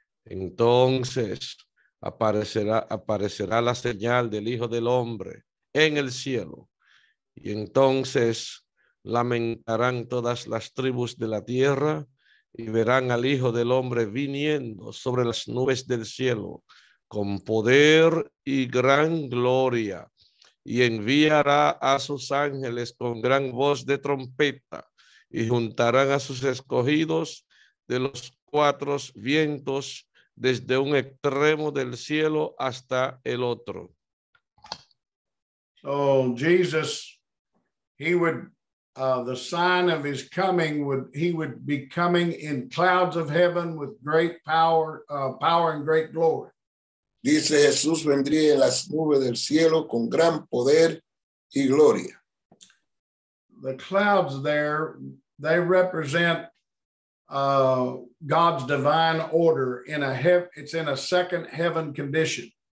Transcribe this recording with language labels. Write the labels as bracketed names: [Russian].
[Spanish] Entonces aparecerá la señal del Hijo del Hombre en el cielo y entonces lamentarán todas las tribus de la tierra y verán al Hijo del Hombre viniendo sobre las nubes del cielo con poder y gran gloria, y enviará a sus ángeles con gran voz de trompeta, y juntarán a sus escogidos de los cuatro vientos, desde un extremo del cielo hasta el otro. [English] So Jesus, the sign of his coming would be coming in clouds of heaven with great power, power and great glory. [Spanish] Dice Jesús vendría en las nubes del cielo con gran poder y gloria. [English] The clouds there, they represent God's divine order in it's in a second heaven condition.